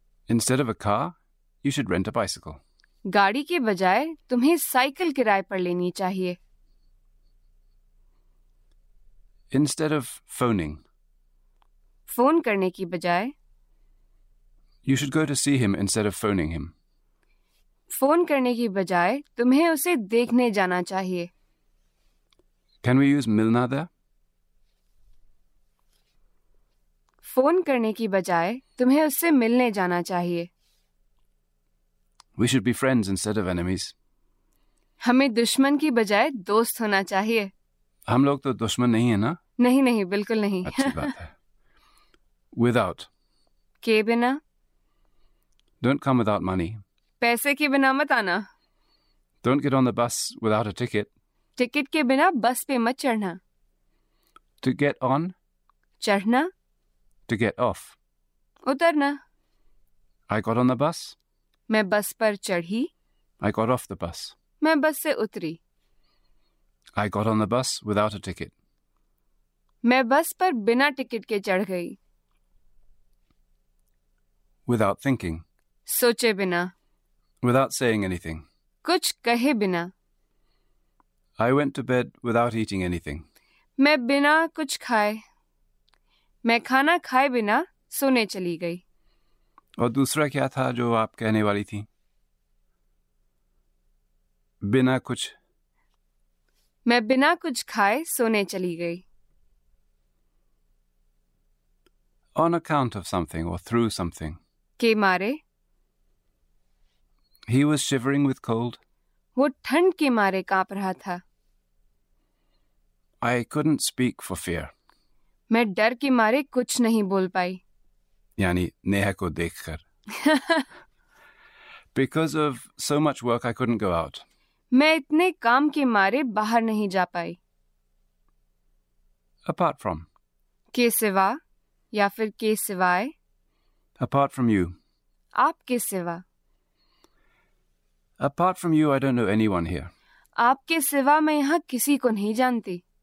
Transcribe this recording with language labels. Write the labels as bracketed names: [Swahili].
[English] Instead of a car, you should rent a bicycle. [Hindi] गाड़ी के बजाय तुम्हें साइकिल किराए पर लेनी चाहिए। [English] Instead of phoning. [Hindi] फोन करने की बजाय। [English] You should go to see him instead of phoning him. [Hindi] Phone करने की बजाय तुम्हें उसे देखने जाना चाहिए। [English] Can we use मिलना there? [Hindi] फोन करने की बजाय तुम्हें उससे मिलने जाना चाहिए। [English] We should be friends instead of enemies. [Hindi] हमें दुश्मन की बजाय दोस्त होना चाहिए। हम लोग तो दुश्मन नहीं है ना? नहीं नहीं बिल्कुल नहीं। अच्छी बात है। [English] Without. [Hindi] के बिना? [English] Don't come without money. [Hindi] पैसे के बिना मत आना। [English] Don't get on the bus without a ticket. [Hindi] Ticket के बिना बस पे मत चढ़ना। [English] To get on. [Hindi] चढ़ना। [English] To get off. [Hindi] उतरना। [English] I got on the bus. [Hindi] मैं बस पर चढ़ी। [English] I got off the bus. [Hindi] मैं बस से उतरी। [English] I got on the bus without a ticket. [Hindi] मैं बस पर बिना टिकट के चढ़ गई। [English] Without thinking. [Hindi] सोचे बिना। [English] Without saying anything. [Hindi] कुछ कहे बिना। [English] I went to bed without eating anything. [Hindi] मैं बिना कुछ खाए। मैं खाना खाए बिना सोने चली गई। और दूसरा क्या था जो आप कहने वाली थी? बिना कुछ। मैं बिना कुछ खाए सोने चली गई। [English] On account of something or through something. [Hindi] के मारे। [English] He was shivering with cold. [Hindi] वो ठंड के मारे कांप रहा था। [English] I couldn't speak for fear. [Hindi] मैं डर के मारे कुछ नहीं बोल पाई। यानी नेहा को देखकर। [English] Because of so much work, I couldn't go out. [Hindi] मैं इतने काम के मारे बाहर नहीं जा पाई। [English] Apart from. [Hindi] के सिवा या फिर के सिवाय। [English] Apart from you. [Hindi] आपके सिवा। [English] Apart from you, I don't know anyone here. [Hindi] आपके सिवा मैं यहाँ किसी को नहीं जानती।